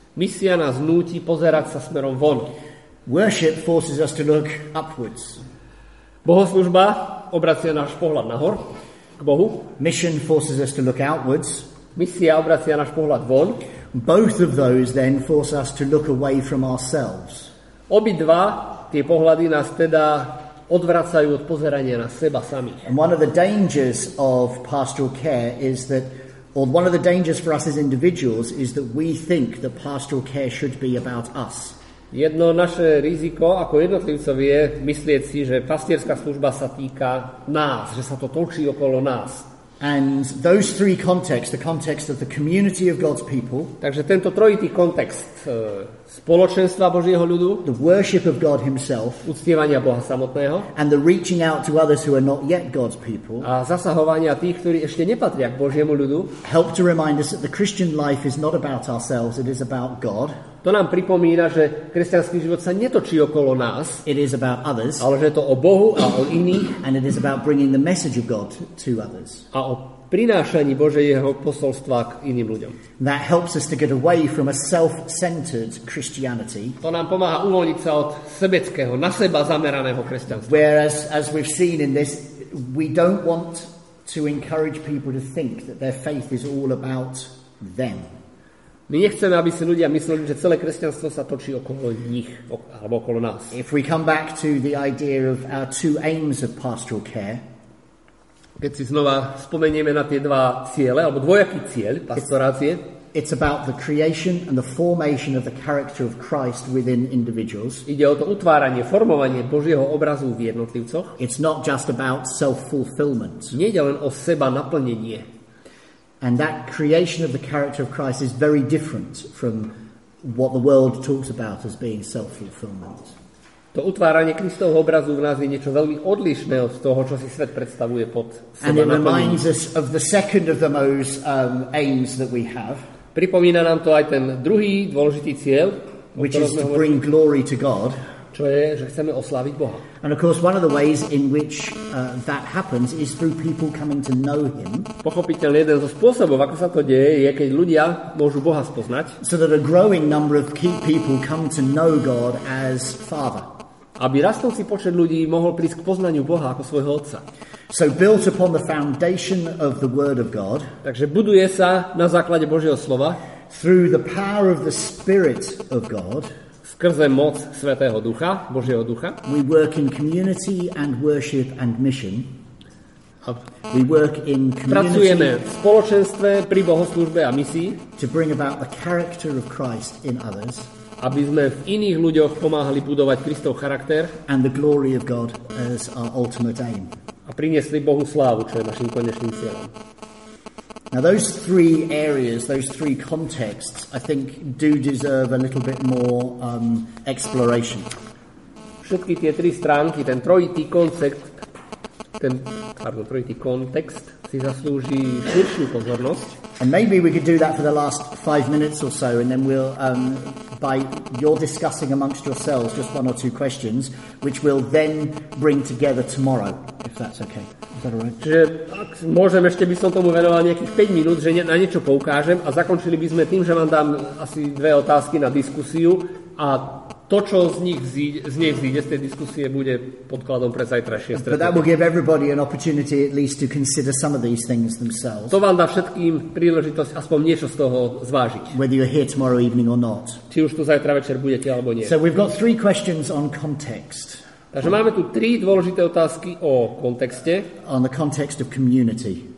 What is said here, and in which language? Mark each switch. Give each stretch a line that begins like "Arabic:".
Slovak: Misia nás núti pozerať sa smerom von.
English: Worship forces us to look upwards.
Slovak: Bohoslužba obracia náš pohľad nahor k Bohu.
English: Mission forces us to look outwards.
Slovak: Misia obracia náš pohľad von.
English: Both of those then force us to look away from ourselves.
Slovak: Obidva tie pohľady nás teda odvracajú od pozerania na seba samých.
English: And one of the dangers of pastoral care is that or one of the dangers for us as individuals is that we think that pastoral care should be about us.
Slovak: Jedno naše riziko ako jednotlivcov je myslieť si, že pastierska služba sa týka nás, že sa to točí okolo nás.
English: And those three contexts, the context of the community of God's people,
Slovak: takže tento trojitý kontext spoločenstva Božieho ľudu,
English: the worship of God himself,
Slovak: uctievania Boha samotného,
English: and the reaching out to others who are not yet God's people,
Slovak: a zasahovania tých, ktorí ešte nepatria k Božiemu ľudu,
English: help to remind us that the Christian life is not about ourselves, it is about God.
Slovak: To nám pripomína, že kresťanský život sa netočí okolo nás,
English: it is about others,
Slovak: ale že je to o Bohu a o iných,
English: and it is about bringing the message of God to others.
Slovak: A o prinášaní Božieho posolstva k iným ľuďom.
English: That helps us to get away from a self-centered Christianity.
Slovak: To nám pomáha uvoľniť sa od sebeckého, na seba zameraného kresťanstva.
English: Whereas, as we've seen in this, we don't want to encourage people to think that their faith is all about them.
Slovak: My nechceme, aby si ľudia mysleli, že celé kresťanstvo sa točí okolo nich, alebo okolo nás.
English: If we come back to the idea of our two aims of pastoral care,
Slovak: keď si znova spomenieme na tie dva ciele, alebo dvojaký cieľ pastorácie.
English: It's about the creation and the formation of the character of Christ within individuals.
Slovak: Ide o to utváranie, formovanie Božieho obrazu v jednotlivcoch.
English: It's not just about self-fulfillment.
Slovak: Nie je len o seba naplnenie.
English: And that creation of the character of Christ is very different from what the world talks about as being self-fulfillment.
Slovak: To utváranie Kristovho obrazu v nás je niečo veľmi odlišné od toho, čo si svet predstavuje pod seba naplnenie.
English: And it reminds us of the second of the most aims that we have.
Slovak: Pripomína nám to aj ten druhý dôležitý cieľ,
English: which is to bring glory to God.
Slovak: Čo je, že chceme osláviť Boha.
English: And of course one of the ways in which that happens is through people coming to know him.
Slovak: Pochopiteľne jeden zo spôsobov, ako sa to deje, je keď ľudia môžu Boha spoznať.
English: So that a growing number of people come to know God as Father.
Slovak: Aby rastúci počet ľudí mohol prísť k poznaniu Boha ako svojho Otca.
English: So built upon the foundation of the word of God.
Slovak: Takže buduje sa na základe Božieho slova.
English: Through the power of the Spirit of God.
Slovak: Skrze moc Svätého Ducha, Božieho Ducha.
English: We work in community and worship and mission. We work in community.
Slovak: Pracujeme v spoločenstve pri bohoslužbe a misii.
English: To bring about the character of Christ in others.
Slovak: Aby sme v iných ľuďoch pomáhali budovať Kristov charakter.
English: And the glory of God as our ultimate aim.
Slovak: A priniesli Bohu slávu, čo je našim konečným cieľom.
English: Now those three areas, those three contexts, I think do deserve a little bit more exploration.
Slovak: Všetky tie tri stránky, ten trojitý koncept, trojitý kontext si zaslúži širšiu pozornosť.
English: And maybe we could do that for the last 5 minutes or so, and then we'll, by your discussing amongst yourselves just one or two questions, which we'll then bring together tomorrow, if that's okay.
Slovak: Čiže ak môžem, ešte by som tomu venoval nejakých 5 minút, že na niečo poukážem a zakončili by sme tým, že vám dám asi dve otázky na diskusiu, a to, čo z nej zíde z tej diskusie, bude podkladom pre zajtrajšie stretnutie.
English: That will give everybody an opportunity at least to consider some of these things themselves.
Slovak: To vám dá všetkým príležitosť aspoň niečo z toho zvážiť.
English: Whether you're here tomorrow evening or not.
Slovak: Či už tu zajtra večer budete alebo nie.
English: So we've got three questions on context.
Slovak: Takže máme tu tri dôležité otázky o kontexte.
English: On the context of community.